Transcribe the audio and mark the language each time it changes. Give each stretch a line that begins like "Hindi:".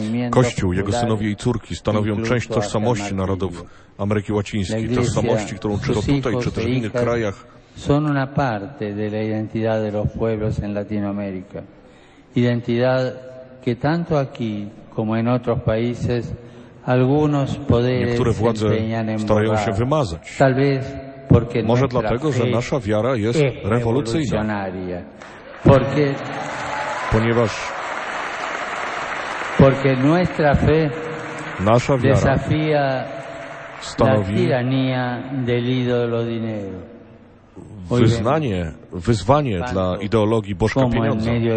Polish: Kościół, jego synowie i córki stanowią część tożsamości narodów Ameryki Łacińskiej, tożsamości, którą czy to tutaj, czy też w innych krajach,
Spanish: son una parte de la identidad de los pueblos en Latinoamérica. Identidad que tanto aquí como en otros países algunos poderes empeñan en borrar.
Polish: Się wymazać.
Spanish: Tal vez porque
Polish: Może dlatego, że nasza wiara jest rewolucyjna.
Spanish: Porque,
Polish: ponieważ
Spanish: porque nuestra fe
Polish: nasza wiara
Spanish: desafía
Polish: stanowi
Spanish: la tiranía del ídolo dinero.
Polish: Wyznanie, wyzwanie dla ideologii Bożka Pieniądza.